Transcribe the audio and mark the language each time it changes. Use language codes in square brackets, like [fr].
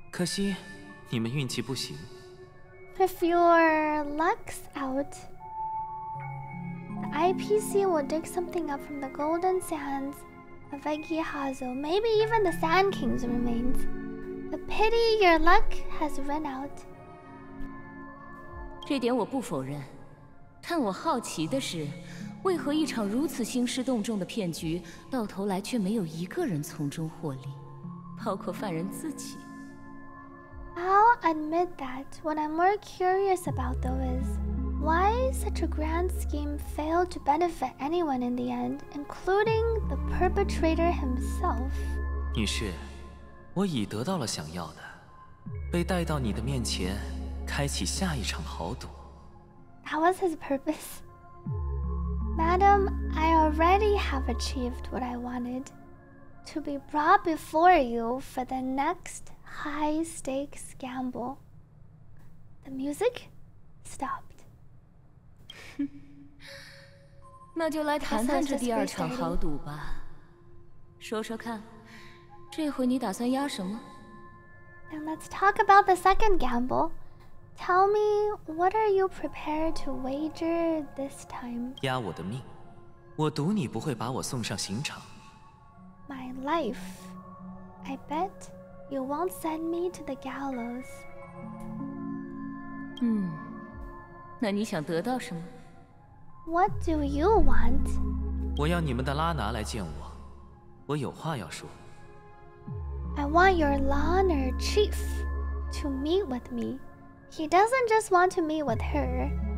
[zh] 如果运气好，公司能从艾吉哈索的黄沙里掏出任何东西，甚至沙王的残骸。可惜，你们运气不行。 [en] If your luck's out, the IPC will dig something up from the golden sands of Egihazo, maybe even the Sand King's remains. The pity your luck has run out. [zh] 这点我不否认。看我好奇的是，为何一场如此兴师动众的骗局，到头来却没有一个人从中获利，包括犯人自己。 [en] I'll admit that what I'm more curious about though is why such a grand scheme failed to benefit anyone in the end, including the perpetrator himself. [zh] 女士，我已得到了想要的，被带到你的面前，开启下一场豪赌。 [en] That was his purpose. Madam, I already have achieved what I wanted. To be brought before you for the next high-stakes gamble. The music stopped. [zh] 那就来谈谈这第二场豪赌吧。说说看，这回你打算押什么？ [en] Then let's talk about the second gamble. Tell me, what are you prepared to wager this time? [zh] 押我的命，我赌你不会把我送上刑场。 [en] My life. I bet you won't send me to the gallows. [zh] 那你想得到什么？ [en] What do you want? [zh] 我要你们的拉拿来见我，我有话要说。 [en] I want your Lanner chief to meet with me. He doesn't just want to meet with her.